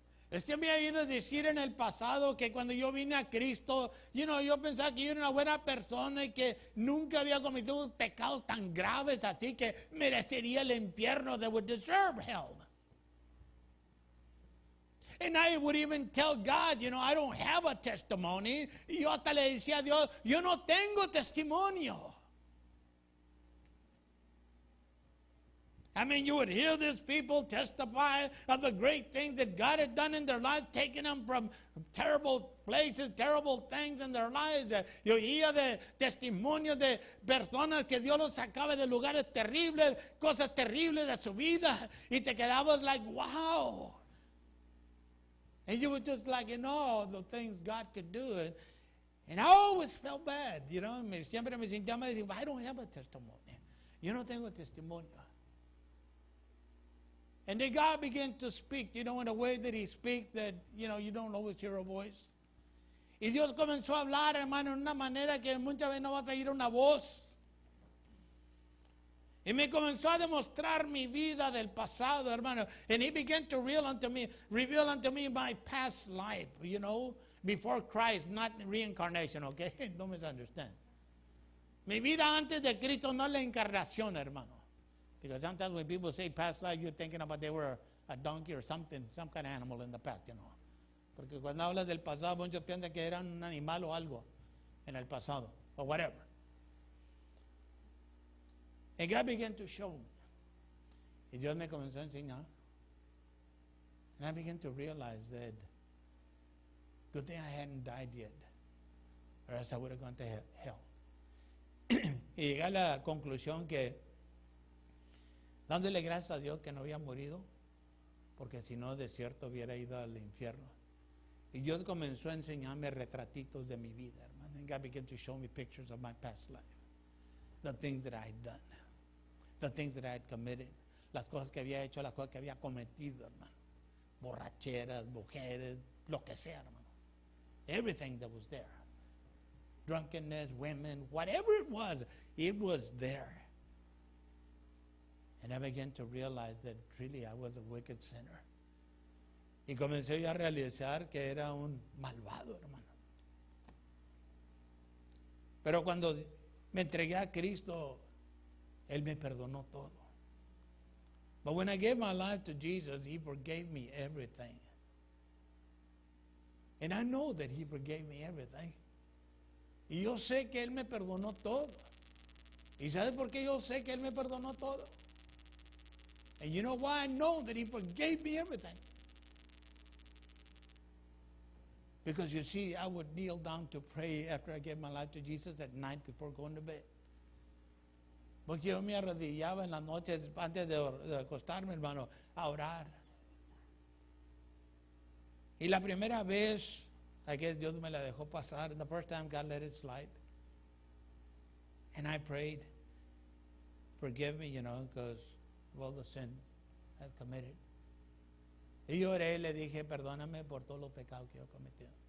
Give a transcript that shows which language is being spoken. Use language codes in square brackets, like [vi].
[es] Usted me ha ido a decir en el pasado que cuando yo vine a Cristo, you know, yo pensaba que yo era una buena persona y que nunca había cometido pecados tan graves así que merecería el infierno, [en] that would deserve hell. And I would even tell God, you know, I don't have a testimony. [es] Y yo hasta le decía a Dios, yo no tengo testimonio. [en] I mean, you would hear these people testify of the great things that God had done in their lives, taking them from terrible places, terrible things in their lives. [es] Yo oía de testimonio de personas que Dios los sacaba de lugares terribles, cosas terribles de su vida, y te quedabas like, wow. [en] And you were just like, you know, the things God could do. And I always felt bad, you know. [es] Siempre me sentía mal. [en] I don't have a testimony. [es] Yo no tengo testimonio. [en] And then God began to speak, you know, in a way that he speaks that, you know, you don't always hear a voice. [es] Y Dios comenzó a hablar, hermano, en una manera que muchas veces no vas a oír una voz. Y me comenzó a demostrar mi vida del pasado, hermano. [en] And he began to reveal unto me my past life, you know, before Christ, not reincarnation, okay? Don't misunderstand. [es] Mi vida antes de Cristo, no la encarnación, hermano. [en] Because sometimes when people say past life, you're thinking about they were a donkey or something, some kind of animal in the past, you know. [es] Porque cuando hablas del pasado, muchos piensan que eran un animal o algo en el pasado, [en] or whatever. And God began to show me. [es] Y Dios me comenzó a enseñar. [en] And I began to realize that good thing I hadn't died yet, or else I would have gone to hell. [es] Y llegué a la conclusión que dándole gracias a Dios que no había morido, porque si no, de cierto, hubiera ido al infierno. Y Dios comenzó a enseñarme retratitos de mi vida, hermano. [en] And God began to show me pictures of my past life, the things that I had done, the things that I had committed, [es] las cosas que había hecho, las cosas que había cometido, hermano. Borracheras, mujeres, lo que sea, hermano. [en] Everything that was there. Drunkenness, women, whatever it was there. And I began to realize that really I was a wicked sinner. [es] Y comencé yo a realizar que era un malvado, hermano. Pero cuando me entregué a Cristo, Él me perdonó todo. [en] But when I gave my life to Jesus, He forgave me everything. And I know that He forgave me everything. [es] Y yo sé que Él me perdonó todo. ¿Y sabes por qué yo sé que Él me perdonó todo? [en] And you know why I know that He forgave me everything? Because you see, I would kneel down to pray after I gave my life to Jesus at night before going to bed. [es] Porque yo me arrodillaba en las noches antes de acostarme, hermano, a orar. Y la primera vez, I guess Dios me la dejó pasar. [en] And the first time God let it slide. And I prayed, forgive me, you know, because of all the sins I've committed. [es] Y yo oré y le dije, perdóname por todos los pecados que yo he cometido.